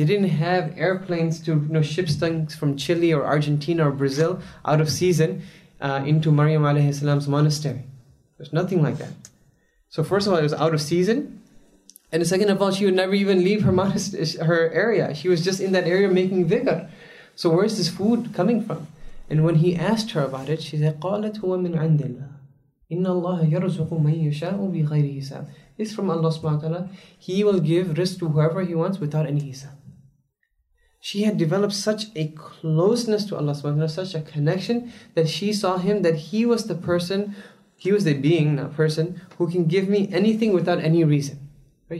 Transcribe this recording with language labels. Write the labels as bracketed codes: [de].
[en] They didn't have airplanes to, you know, ship things from Chile or Argentina or Brazil out of season into Maryam alayhi salam's monastery. There's nothing like that. So first of all, it was out of season. And second of all, she would never even leave her her area. She was just in that area making dhikr. So where is this food coming from? And when he asked her about it, she said, [ar] قَالَتْ هُوَ مِنْ عَنْدِ اللَّهِ إِنَّ اللَّهَ يَرْزُقُ مَنْ يَشَاءُ بِغَيْرِ حِسَابٍ. [en] It's from Allah subhanahu wa ta'ala. He will give risk to whoever He wants without any hisab. She had developed such a closeness to Allah subhanahu wa ta'ala, such a connection, that she saw Him, that He was the person, He was the being, not person, who can give me anything without any reason. Right?